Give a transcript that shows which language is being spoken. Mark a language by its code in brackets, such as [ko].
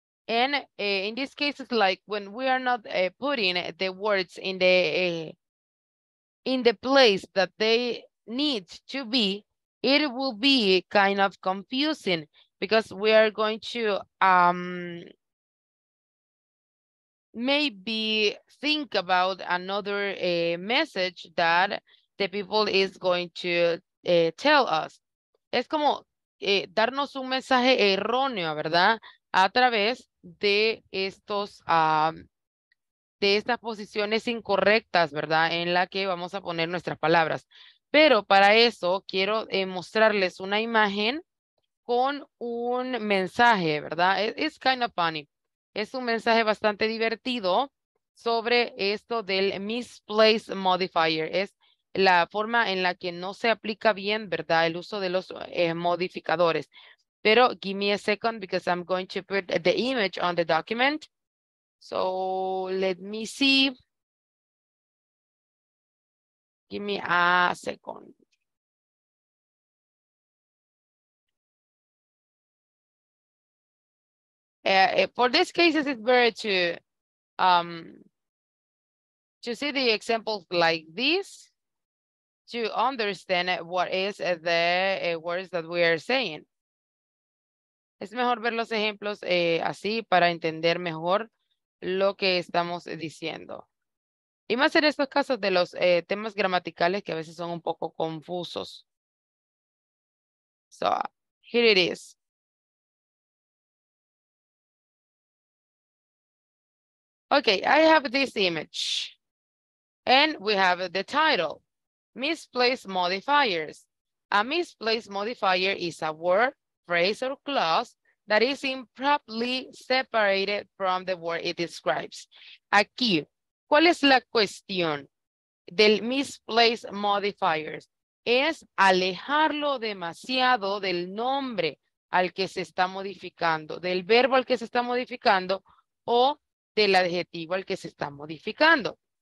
[en] And in this case, it's like when we are not putting the words in the place that they need to be, it will be kind of confusing because we are going to maybe think about another message that the people is going to tell us. [es] Es como darnos un mensaje erróneo, ¿verdad? A través de estos, de estas posiciones incorrectas, ¿verdad? En la que vamos a poner nuestras palabras. Pero para eso quiero mostrarles una imagen con un mensaje, ¿verdad? [en] It's kind of funny. [es] Es un mensaje bastante divertido sobre esto del misplaced modifier. Es la forma en la que no se aplica bien, ¿verdad? El uso de los modificadores. Pero [en] give me a second because I'm going to put the image on the document. So let me see. Give me a second. For this case, it's better to see the examples like this, to understand what is the words that we are saying. [es] Es mejor ver los ejemplos así para entender mejor lo que estamos diciendo. Y más en estos casos de los temas gramaticales que a veces son un poco confusos. [en] So, here it is. Okay, I have this image. And we have the title, misplaced modifiers. A misplaced modifier is a word, phrase, or clause that is improperly separated from the word it describes. [es] Aquí, ¿cuál es la cuestión del misplaced modifiers? Es alejarlo demasiado del nombre al que se está modificando, del verbo al que se está modificando o del adjetivo al que se está modificando.